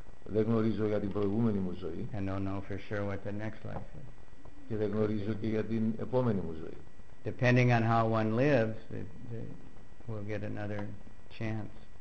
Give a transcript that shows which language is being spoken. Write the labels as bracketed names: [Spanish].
[Greek] Δεν γνωρίζω για την προηγούμενη μου ζωή. [English] And don't know for sure what the next life is. [Greek] Και δεν γνωρίζω και για την επόμενη μου ζωή. [English] Depending on how one lives, we'll get another chance.